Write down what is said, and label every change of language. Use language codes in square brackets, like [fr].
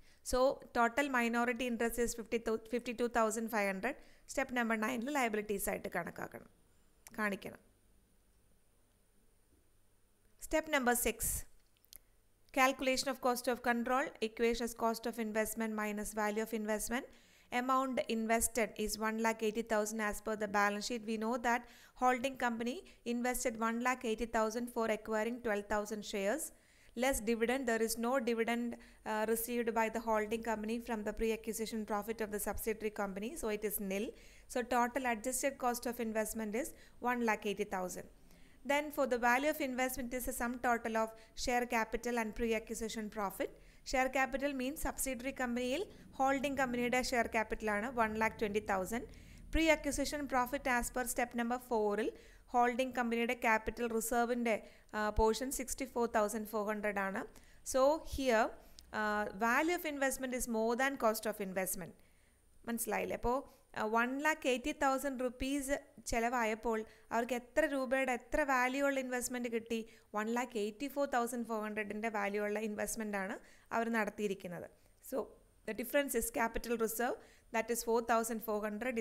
[en] So total minority interest is 52,500. [ml] Step number 9 liabilities ആയിട്ട് കാണിക്കണം. Step number 6, calculation of cost of control. Equation cost of investment minus value of investment. [en] Amount invested is 1,80,000 as per the balance sheet. We know that holding company invested 1,80,000 for acquiring 12,000 shares. Less dividend, there is no dividend received by the holding company from the pre-acquisition profit of the subsidiary company, so it is nil. So total adjusted cost of investment is 1,80,000. Then for the value of investment is a sum total of share capital and pre-acquisition profit. Share capital means subsidiary company il holding company da share capital aanu 1,20,000. Pre-acquisition profit as per step number 4 il holding company da capital reserve inde portion 64,400 aanu. So here value of investment is more than cost of investment. [ml] മനസ്സിലായില്ലേ? അപ്പോൾ 1,80,000 rupees ചിലവായപ്പോൾ അവർക്ക് എത്ര രൂപയുടെ എത്ര value ഉള്ള investment കിട്ടി? 1,84,400 value ഉള്ള ഇൻവെസ്റ്റ്മെൻറ്റാണ് അവർ നടത്തിയിരിക്കുന്നത്. [en] So the difference is capital reserve, that is 4,400.